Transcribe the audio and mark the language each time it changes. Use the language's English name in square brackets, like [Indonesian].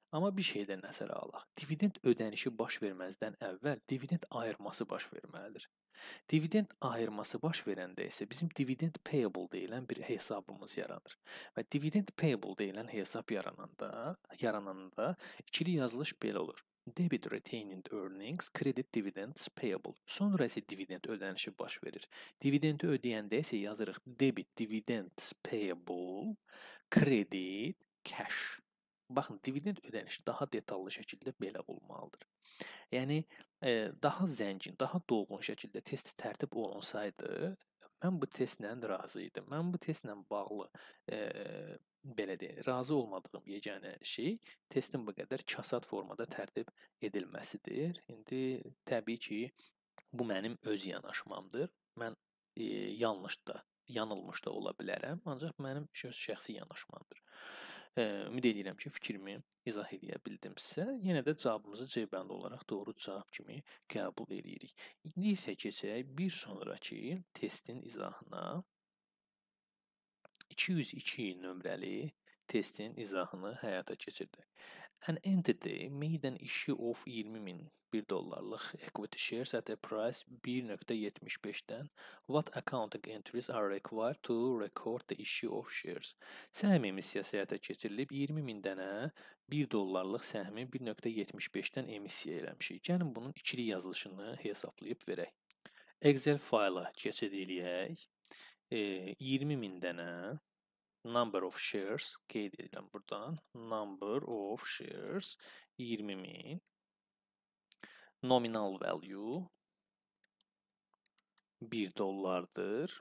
[Azerbaijani] Amma bir şeydə nəzərə alaq. Dividend ödənişi baş verməzdən əvvəl dividend ayırması baş verməlidir. Dividend ayırması baş verəndə isə bizim dividend payable deyilən bir hesabımız yaranır. Və dividend payable deyilən hesab yarananda ikili yazılış belə olur. [English] Debit retained earnings, credit dividends payable. [Azerbaijani] Sonra isə dividend ödənişi baş verir. Dividendi ödəyəndə isə yazırıq [English] debit dividends payable, credit cash. [Azerbaijani] Baxın, dividend ödənişi daha detallı şəkildə belə olmalıdır. Yəni, daha zəngin, daha dolğun şəkildə test tərtib olunsaydı, mən bu testlə razı idim. Mən bu testlə bağlı, belə deyək, razı olmadığım yeganə şey testin bu qədər kasad formada tərtib edilməsidir. İndi, təbii ki, bu mənim öz yanaşmamdır. Mən yanılmış da ola bilərəm, ancaq mənim şəxsi yanaşmamdır. Ümid edirəm ki, fikrimi izah edə bildimsə, yenə də cavabımızı C bənd olaraq doğru cavab kimi qəbul edirik. İndi isə keçək bir sonraki testin izahına 202 nömrəli testinin izahını həyata keçirdi. [English] An entity made an issue of 20,000 dollarlık equity shares at a price 1.75'den. What accounting entries are required to record the issue of shares? [Azerbaijani] Səhm emissiyası həyata keçirilib 20,000 dənə 1 dollarlıq səhmi 1.75'den emissiya eləmişik. Gəlin bunun ikili yazılışını hesablayıb verək. Excel fayla keçid eləyək. 20,000 dənə number of shares qeyd edirəm buradan. Number of shares 20,000. Nominal value 1 dollardır.